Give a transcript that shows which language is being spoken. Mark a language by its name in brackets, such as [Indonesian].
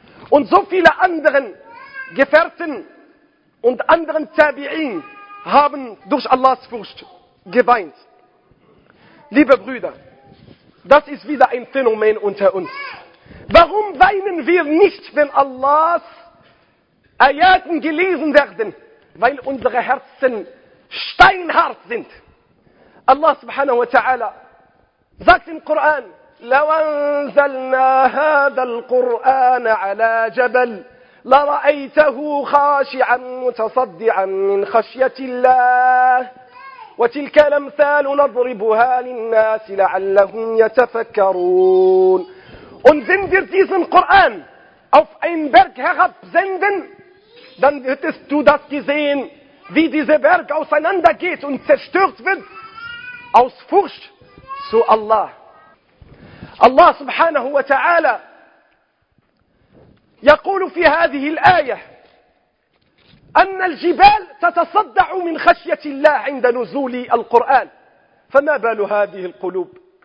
[German] Und so viele anderen Gefährten und anderen Tabi'in haben durch Allahs Furcht geweint. Liebe Brüder, das ist wieder ein Phänomen unter uns. Warum weinen wir nicht, wenn Allahs Ayaten gelesen werden? Weil unsere Herzen steinhart sind. [Arabic] Allah subhanahu wa ta'ala [German] sagt im Koran, [Arabic] لو انزلنا هذا القرآن على جبل لرأيته خاشعا متصدعا من خشية الله وتلك الأمثال نضربها للناس لعلهم يتفكرون. [German] Und wenn wir diesen Koran auf einen Berg herabsenden, dann hättest du das gesehen, wie dieser Berg auseinandergeht und zerstört wird aus Furcht zu Allah. [Arabic] Allah subhanahu wa ta'ala يقول في هذه الآية أن الجبال تتصدع من خشية الله عند نزول القرآن فما بال هذه القلوب.